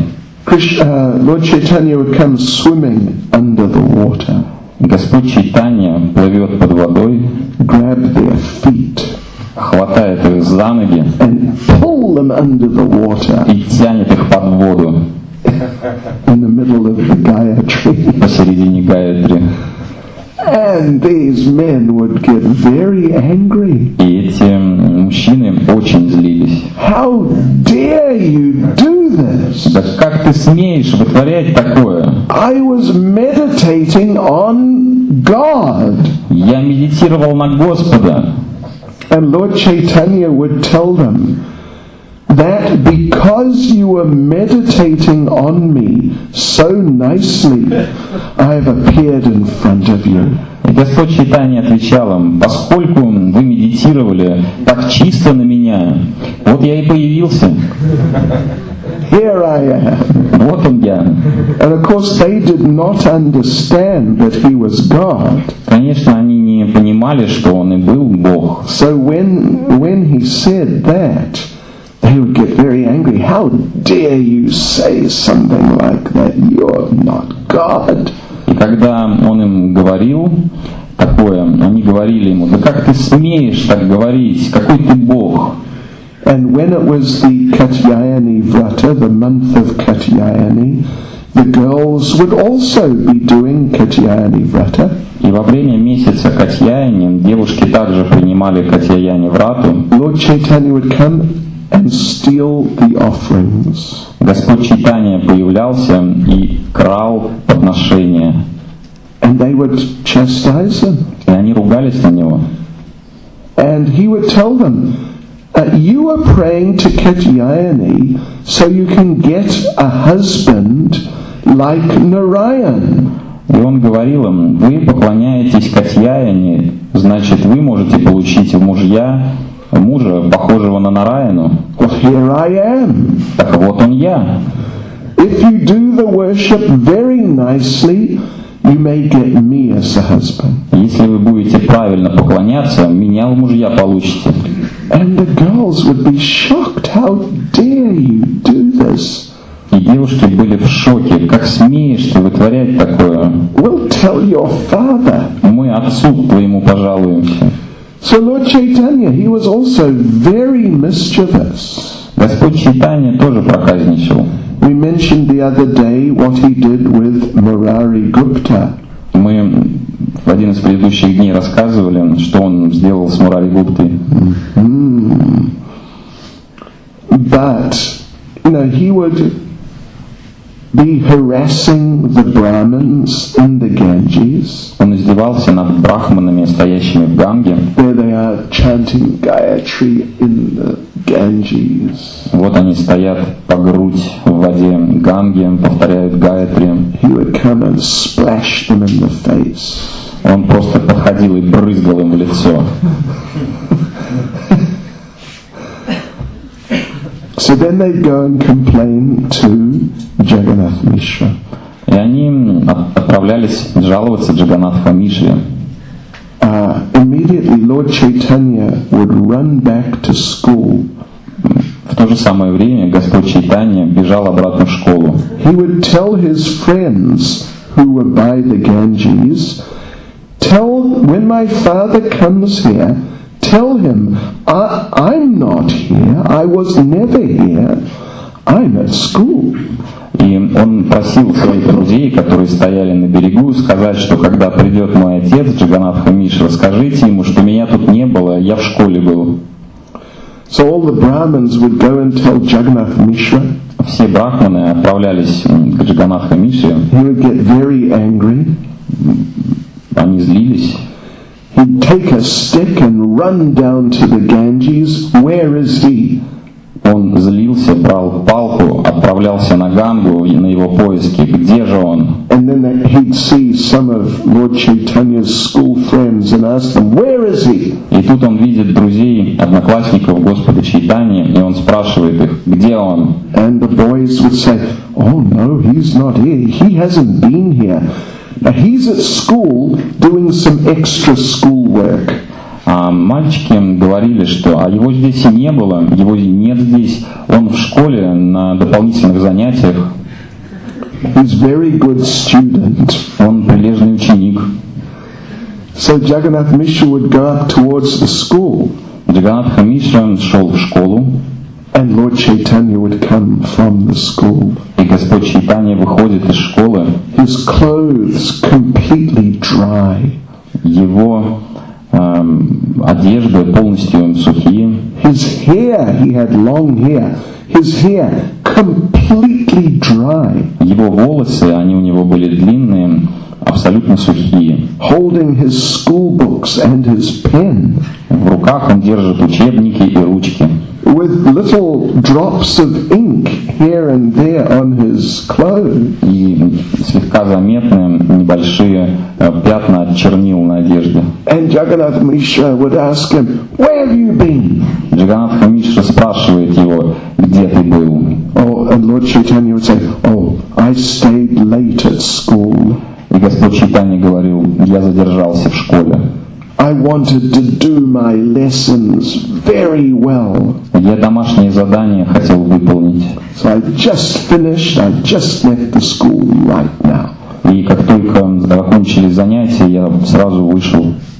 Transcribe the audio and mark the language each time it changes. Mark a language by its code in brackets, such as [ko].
[en] Lord Chaitanya would come swimming under the water. [ru] Господь Чайтанья плывет под водой, [en] grab their feet, [ru] хватает их за ноги [en] and pull them under the water. [ru] И тянет их под воду. [en] In the middle of the Gayatri. [ru] Посередине Гайатри. [en] And these men would get very angry. [ru] И эти мужчины очень злились. [en] How dare you do this? [ru] Да как ты смеешь вытворять такое? [en] I was meditating on God. [ru] Я медитировал на Господа. [en] And Lord Chaitanya would tell them that because you were meditating on me so nicely, I have appeared in front of you. [ru] Господь Чайтанья отвечал им, поскольку вы медитировали так чисто на меня, вот я и появился. [en] Here I am. [ru] Вот он я. [en] And of course they did not understand that he was God. [ru] Конечно, они не понимали, что он и был Бог. [en] So when he said that, they would get very angry. How dare you say something like that? You're not God. [ru] И когда он им говорил такое, они говорили ему, да как ты смеешь так говорить? Какой ты Бог? [en] And when it was the Katyayani Vrata, the month of Katyayani, the girls would also be doing Katyayani Vrata. [ru] И во время месяца Катьяяни девушки также принимали Катьяяни Врату. [en] Lord Chaitanya would come and steal the offerings. [ru] Господь Чайтанья появлялся и крал подношения. [en] And they would chastise him. [ru] И они ругались на него. [en] And he would tell them, you are praying to Katyayani so you can get a husband like Narayan. [ru] И он говорил им, вы поклоняетесь Катьяяни, значит, вы можете получить мужья, мужа, похожего на Нараяну. [en] Well, here I am. [ru] Так вот он я. [en] If you do the worship very nicely, you may get me as a husband. [ru] Если вы будете правильно поклоняться, меня в мужья получите. [en] And the girls would be shocked. How dare you do this? [ru] И девушки были в шоке. Как смеешь ты вытворять такое? [en] We'll tell your father. [ru] Мы отцу твоему пожалуемся. [en] So Lord Chaitanya, he was also very mischievous. [ru] Господь Чайтанья тоже проказничал. [en] We mentioned the other day what he did with Murari Gupta. [ru] Мы в в один из предыдущих дней рассказывали, что он сделал с Мурари Гуптой. [en] But, you know, he would be harassing the Brahmins in the Ganges. [ru] Он издевался над брахманами, стоящими в Ганге. [en] There they are chanting Gayatri in the Ganges. [ru] Вот они стоят по грудь в воде Ганги, повторяют Гаятри. [en] He would come and splash them in the face. [ru] Он просто подходил и брызгал им в лицо. [en] So then they go and complain to Jagannath Mishra. [ru] И они отправлялись жаловаться Джаганнатху Мишре. [en] Immediately Lord Chaitanya would run back to school. [ru] В то же самое время Господь Чайтанья бежал обратно в школу. [en] He would tell his friends who were by the Ganges, tell when my father comes here, tell him, I'm not here, I was never here, I'm at school. [ru] И он просил своих друзей, которые стояли на берегу, сказать, что когда придет мой отец, Джаганнатха Мишра, скажите ему, что меня тут не было, я в школе был. [en] So all the Brahmins would go and tell Jagannath Mishra. [ru] Все брахманы отправлялись к Джаганнатха Мишре. [en] He would get very angry. [ru] Они злились. [en] He'd take a stick and run down to the Ganges. Where is he? [ru] Он злился, брал палку, отправлялся на Гангу и на его поиски. Где же он? [en] And then he'd see some of Lord Chaitanya's school friends and ask them, where is he? [ru] И тут он видит друзей, одноклассников Господа Чайтаньи, и он спрашивает их, где он? [en] And the boys would say, oh no, he's not here. He hasn't been here. Now he's at school doing some extra schoolwork. [ru] Мальчики говорили, что а его здесь и не было, его нет здесь. Он в школе на дополнительных занятиях. [en] He's very good student. [ru] Он прилежный ученик. [en] So Jagannath Mishra would go up towards the school. [ru] Джаганнатха Мишра шел в школу. [en] And Lord Chaitanya would come from the school. [ru] И Господь Чайтанья выходит из школы. [en] His clothes completely dry. [ru] Его одежды полностью сухие. [en] His hair, he had long hair. His hair completely dry. [ru] Его волосы, они у него были длинные, абсолютно сухие. [en] Holding his school books and his pen. [ru] В руках он держит учебники и ручки. [en] With little drops of ink here and there on his clothes. [ru] И слегка заметные небольшие пятна от чернил на одежде. [en] And Jagannath Mishra would ask him, "Where have you been?" [ru] Джаганнатха Мишра спрашивает его, где ты был. [en] Oh, and Lord Chaitanya would say, "Oh, I stayed late at school." [ru] И Господь Чайтанья говорил, я задержался в школе. [en] I wanted to do my lessons very well. [ru] Я домашнее задание хотел выполнить. [en] So I just finished, I just left the school right now. [ru] И как только закончили занятия, я сразу вышел.